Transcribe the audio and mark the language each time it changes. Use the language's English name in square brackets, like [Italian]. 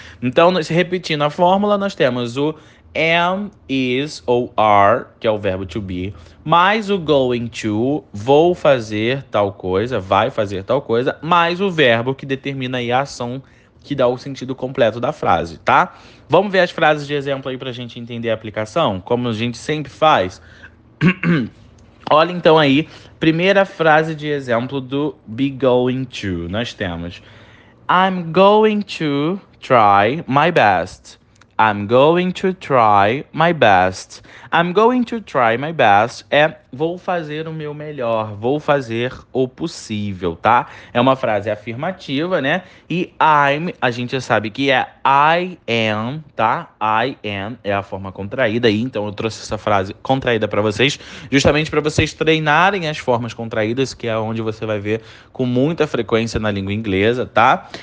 [Portuguese] Então, repetindo a fórmula, nós temos o am, is ou are, que é o verbo to be, mais o going to, vou fazer tal coisa, vai fazer tal coisa, mais o verbo que determina aí a ação que dá o sentido completo da frase, tá? Vamos ver as frases de exemplo aí para a gente entender a aplicação, como a gente sempre faz. Olha então aí, primeira frase de exemplo do be going to. Nós temos: [English] I'm going to try my best. I'm going to try my best. I'm going to try my best. [Portuguese] É vou fazer o meu melhor, vou fazer o possível, tá? É uma frase afirmativa, né? E I'm, a gente já sabe que é I am, tá? I am é a forma contraída aí. Então eu trouxe essa frase contraída para vocês, justamente para vocês treinarem as formas contraídas, que é onde você vai ver com muita frequência na língua inglesa, tá?